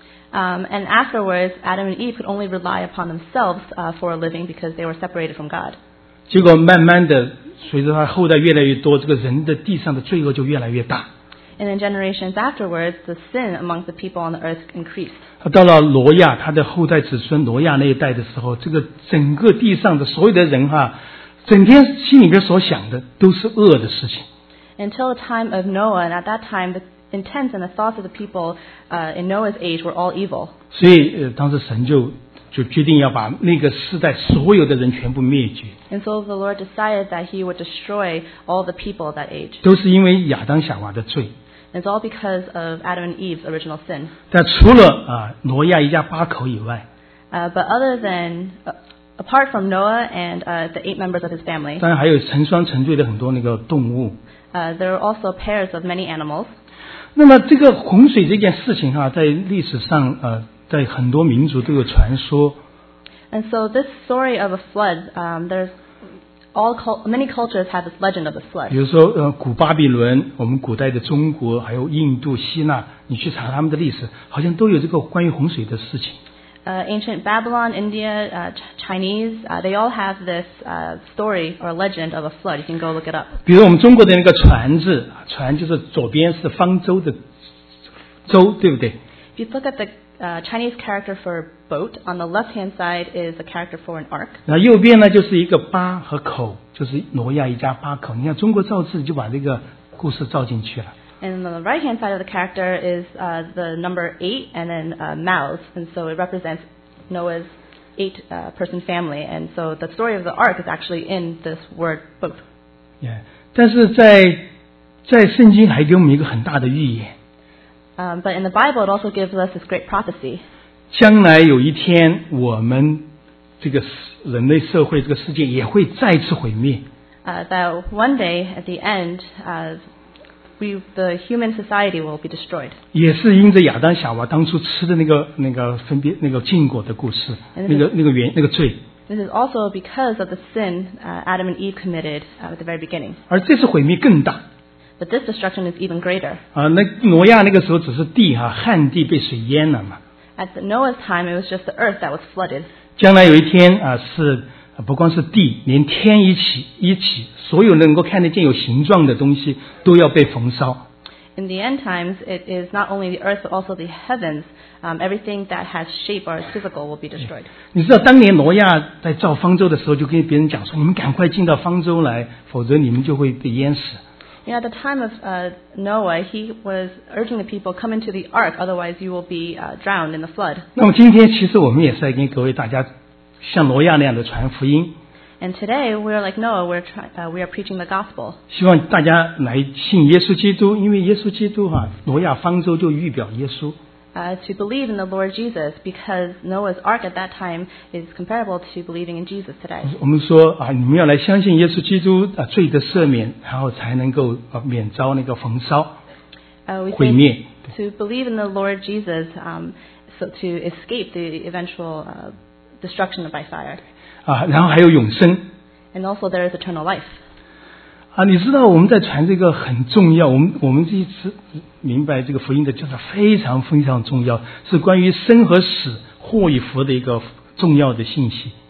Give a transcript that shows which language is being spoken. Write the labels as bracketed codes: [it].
[en] And afterwards, Adam and Eve could only rely upon themselves for a living because they were separated from God. [zh] 结果慢慢的，随着他后代越来越多，这个人的地上的罪恶就越来越大。 [en] And in generations afterwards, the sin among the people on the earth increased. [zh] 到了挪亚，他的后代子孙挪亚那一代的时候，这个整个地上的所有的人哈，整天心里边所想的都是恶的事情。 [en] Until the time of Noah, and at that time, the intents and the thoughts of the people in Noah's age were all evil. [zh] 所以当时神就决定要把那个世代所有的人全部灭绝。 [en] And so the Lord decided that he would destroy all the people of that age. [zh] 都是因为亚当夏娃的罪。 [en] It's all because of Adam and Eve's original sin. [zh] 但除了挪亚一家八口以外。 [en] But other than, apart from Noah and the eight members of his family. [zh] 当然还有成双成对的很多那个动物。 [en] There are also pairs of many animals. [zh] 那么这个洪水这件事情在历史上在很多民族都有传说。 [en] And so this story of a flood, there's all many cultures have this legend of the flood. [zh] 比如说古巴比伦，我们古代的中国，还有印度、希腊，你去查他们的历史，好像都有这个关于洪水的事情。 [en] Ancient Babylon, India, Chinese, they all have this story or legend of a flood. You can go look it up. [zh] 比如我们中国的那个船字，船就是左边是方舟的舟，对不对？ [en] If you look at the Chinese character for boat on the left hand side is a character for an ark. [zh] 那右边呢就是一个八和口，就是挪亚一家八口。你看中国造字就把这个故事造进去了。 [en] And on the right hand side of the character is the number eight and then mouths, and so it represents Noah's eight person family. And so the story of the ark is actually in this word boat. [zh] Yeah, 但是在圣经还给我们一个很大的预言。 [en] But in the Bible, it also gives us this great prophecy. [zh] 将来有一天，我们这个人类社会这个世界也会再次毁灭。 [en] That one day at the end, the human society will be destroyed. [zh] 也是因着亚当夏娃当初吃的那个分别那个禁果的故事，那个罪。 [en] This is also because of the sin Adam and Eve committed at the very beginning. [zh] 而这次毁灭更大。 [en] But this destruction is even greater. [zh] 那挪亚那个时候只是地哈，旱地被水淹了嘛。 [en] At Noah's time, it was just the earth that was flooded. [zh] 将来有一天是不光是地，连天一起，所有能够看得见有形状的东西都要被焚烧。 [en] In the end times, it is not only the earth but also the heavens. Everything that has shape or is physical will be destroyed. [zh] 你知道当年挪亚在造方舟的时候，就跟别人讲说：“你们赶快进到方舟来，否则你们就会被淹死。” [en] Yeah, at the time of Noah, he was urging the people, come into the ark, otherwise you will be drowned in the flood. [zh] 那么今天其实我们也是在跟各位大家像挪亚那样的传福音。 [en] And today, we are like Noah, we are preaching the gospel. [zh] 希望大家来信耶稣基督，因为耶稣基督挪亚方舟就预表耶稣。 [en] To believe in the Lord Jesus, because Noah's ark at that time is comparable to believing in Jesus today. [zh] 我们说你们要来相信耶稣基督罪的赦免，然后才能够免遭那个焚烧、毁灭。 [en] To believe in the Lord Jesus, so to escape the eventual destruction by fire. [zh] 然后还有永生。 [en] And also there is eternal life. [zh] 啊，你知道我们在传这个很重要，我们这一次明白这个福音的教导非常非常重要，是关于生和死、祸与福的一个重要的信息。